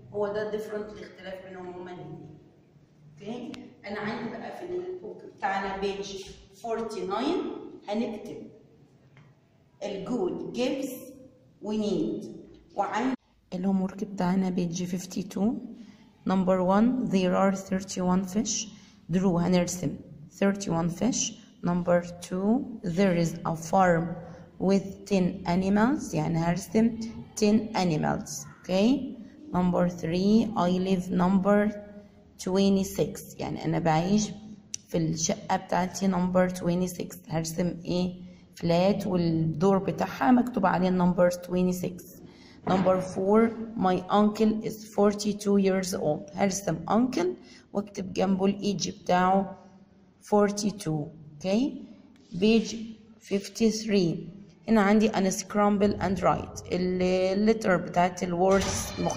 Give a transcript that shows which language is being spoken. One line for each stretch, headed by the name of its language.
Arabic: هو ده ديفرنت الاختلاف بينهم هما الاثنين. اوكي انا عندي بقى في البوك بتاعنا بيج 49 هنكتب الجود جيفز ونيد. وعندي الهوم ورك بتاعنا بيج 52 نمبر 1
English: there are 31 fish
Arabic: درو هنرسم 31 fish.
English: number 2 there is a farm with 10 animals
Arabic: يعني هرسم
English: 10 animals. Okay Number 3, I live number 26.
Arabic: يعني أنا بعيش في الشقة بتاعتي number 26. هرسم إيه؟ فلات والدور بتاعها مكتوب عليه number 26.
English: Number 4, my uncle is 42 years old.
Arabic: هرسم uncle واكتب جنبه الإيج بتاعه 42.
English: Okay. Page 53.
Arabic: هنا عندي أنا
English: scramble and write
Arabic: الليتر بتاعت الwords مختلفة عاملها أنا scramble فيها واكتب